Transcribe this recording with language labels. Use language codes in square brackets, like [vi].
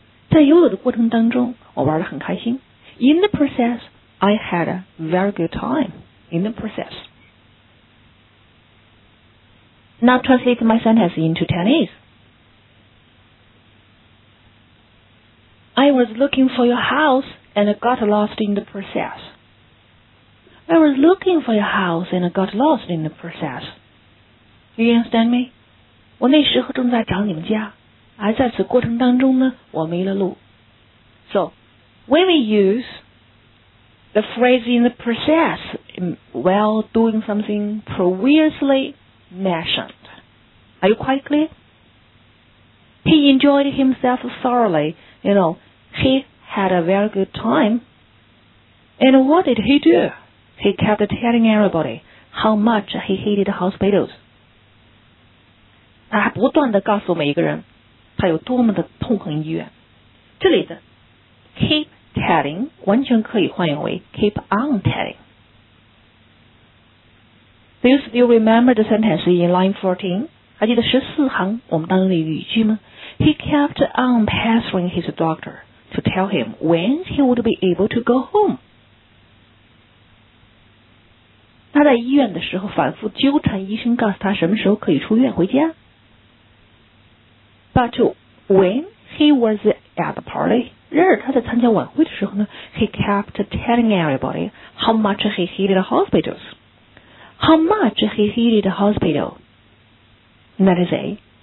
[zh] 在游泳的过程当中我玩得很开心。 [en] In the process, I had a very good time. In the process. Now translate my sentence into Chinese. I was looking for your house and got lost in the process. I was looking for your house and got lost in the process. Do you understand me? [zh] 我那时候正在找你们家，而在此过程当中呢，我迷了路。 [en] So, when we use the phrase in the process while doing something previously mentioned. Are you quite clear? He enjoyed himself thoroughly. You know, he had a very good time. And what did he do? He kept telling everybody how much he hated hospitals. [zh] 他还不断地告诉每一个人他有多么的痛恨医院。这里的 keep telling 完全可以换用为 keep on telling. [en] Do you still remember the sentence in line 14? [zh] 还记得14行我们当中的语句吗？ [en] He kept on pestering his doctor to tell him when he would be able to go home. [zh] 他在医院的时候反复纠缠医生告诉他什么时候可以出院回家。 [en] But when he was at the party, [zh] 然而他在参加晚会的时候呢 [en] he kept telling everybody how much he hated hospitals. How much he hated hospitals. That is it.